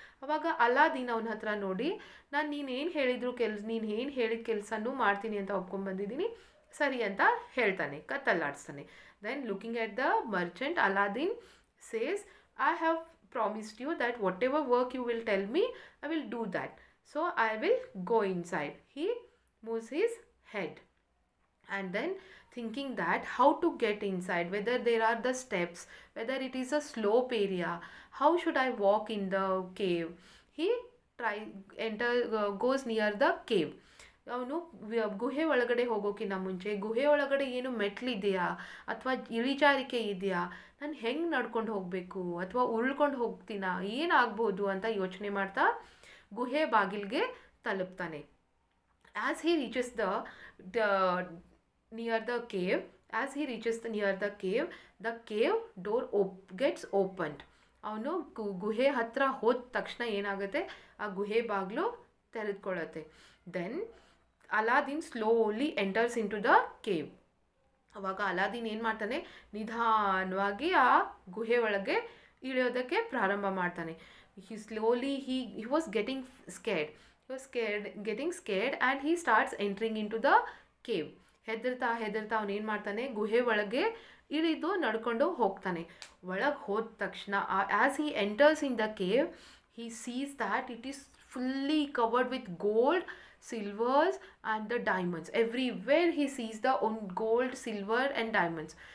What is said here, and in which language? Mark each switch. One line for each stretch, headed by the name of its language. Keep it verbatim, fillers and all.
Kannada: ಅವಾಗ ಅಲಾದೀನ್ ಅವನ ಹತ್ರ ನೋಡಿ, ನಾನು ನೀನೇನು ಹೇಳಿದ್ರು ಕೆಲ್ ನೀನು ಏನು ಹೇಳಿದ ಕೆಲಸನೂ ಮಾಡ್ತೀನಿ ಅಂತ ಒಪ್ಕೊಂಡ್ಬಂದಿದ್ದೀನಿ ಸರಿ ಅಂತ ಹೇಳ್ತಾನೆ, ಕತ್ತಲ್ಲಾಡಿಸ್ತಾನೆ.
English: Then looking at the merchant Aladdin says, I have promised you that whatever work you will tell me I will do that, so I will go inside. He moves his head and then thinking that how to get inside, whether there are the steps, whether it is a slope area, how should I walk in the cave. He try enter uh, goes near the cave.
Kannada: ಅವನು ಗುಹೆ ಒಳಗಡೆ ಹೋಗೋಕ್ಕಿಂತ ಮುಂಚೆ ಗುಹೆ ಒಳಗಡೆ ಏನು ಮೆಟ್ಲಿದೆಯಾ ಅಥವಾ ಇಳಿಜಾರಿಕೆ ಇದೆಯಾ, ನಾನು ಹೆಂಗೆ ನಡ್ಕೊಂಡು ಹೋಗಬೇಕು ಅಥವಾ ಉಳ್ಕೊಂಡು ಹೋಗ್ತೀನಾ, ಏನಾಗ್ಬೋದು ಅಂತ ಯೋಚನೆ ಮಾಡ್ತಾ ಗುಹೆ ಬಾಗಿಲಿಗೆ ತಲುಪ್ತಾನೆ.
English: As he reaches the, the near the cave, as he reaches the, near the cave, the cave door op- gets opened.
Kannada: ಅವನು ಗು ಗುಹೆ ಹತ್ರ ಹೋದ ತಕ್ಷಣ ಏನಾಗುತ್ತೆ, ಆ ಗುಹೆ ಬಾಗಿಲು ತೆರೆದುಕೊಳ್ಳುತ್ತೆ.
English: Then Aladdin slowly enters into the cave.
Kannada: ಅವಾಗ ಅಲಾದೀನ್ ಏನು ಮಾಡ್ತಾನೆ, ನಿಧಾನವಾಗಿ ಆ ಗುಹೆ ಒಳಗೆ ಇಳಿಯೋದಕ್ಕೆ ಪ್ರಾರಂಭ ಮಾಡ್ತಾನೆ.
English: He slowly he he was getting scared. He was scared, getting scared and he starts entering into the cave.
Kannada: ಹೆದರ್ತಾ ಹೆದರ್ತಾ ಅವನು ಏನು ಮಾಡ್ತಾನೆ, ಗುಹೆ ಒಳಗೆ ಇಳಿದು ನಡ್ಕೊಂಡು ಹೋಗ್ತಾನೆ. ಒಳಗೆ ಹೋದ ತಕ್ಷಣ
English: As he enters in the cave he sees that it is fully covered with gold, silvers and the diamonds. Everywhere he sees the one gold, silver and diamonds.